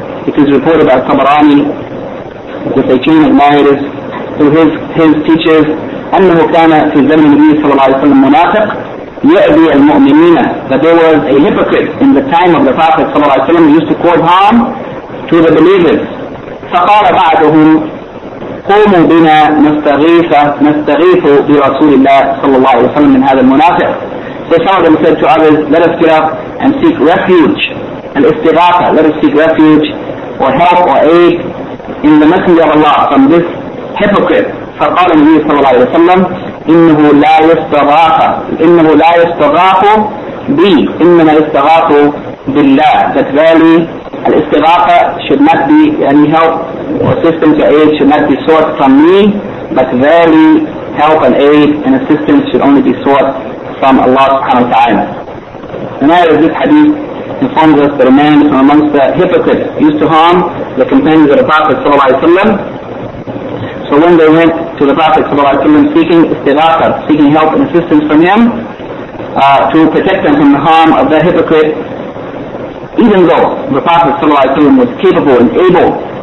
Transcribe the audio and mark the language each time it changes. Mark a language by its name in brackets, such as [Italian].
[English] It is reported by Tabarani with a chain of narrators through his teachers, [Arabic] أنه كان في زمن النبي صلى الله عليه وسلم منافق يأذي المؤمنين, [English] that there was a hypocrite in the time of the Prophet صلى الله عليه وسلم who used to cause harm to the believers. [Arabic] فقال بعدهم قوموا بنا نستغيث برسول الله صلى الله عليه وسلم من هذا المنافق. [English] So some of them said to others, let us get up and seek refuge, al-istighatha, let us seek refuge or help or aid in the Messenger of Allah from this hypocrite. [Arabic] فقال النبي صلى الله عليه وسلم إنه لا يستغاث إنه لا يستغاث بي إنما يستغاث بالله. [English] That really al-istighatha should not be any help or assistance or aid should not be sought from me, but really help and aid and assistance should only be sought from Allah subhanahu wa ta'ala. The narrator of this hadith informs us that a man from amongst the hypocrites used to harm the companions of the Prophet ﷺ. So when they went to the Prophet ﷺ seeking istighatha, seeking help and assistance from him, to protect them from the harm of that hypocrite, even though the Prophet ﷺ was capable and able